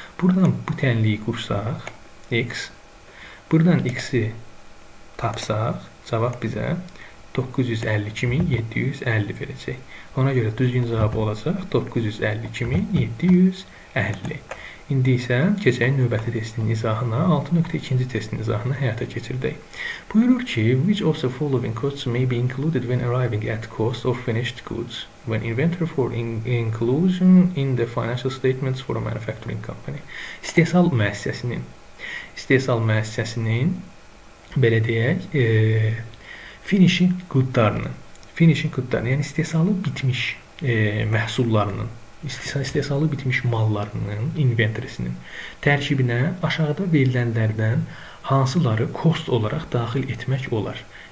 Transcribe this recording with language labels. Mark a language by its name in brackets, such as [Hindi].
[Azerbaijani] Buradan bu tənliyi qursaq, X. Buradan X-i tapsaq, cavab bizə 952750 verəcək. Ona görə düzgün cavab olacaq 952750. İndi isə keçəyin növbəti testinin izahına, 6.2-ci testinin izahına həyata keçirdik. Buyurur ki, [English] which of the following costs may be included when arriving at cost of finished goods when inventory for inclusion in the financial statements for a manufacturing company? [Azerbaijani] İstehsal müəssisəsinin. İstehsal müəssisəsinin, belə deyək, finishing goods-larının. Finishing goods-ların, yəni istehsalı bitmiş məhsullarının. İstehsalı bitmiş mallarının inventorisinin tərkibinə aşağıda verilənlərdən hansıları kost olaraq daxil etmək olar.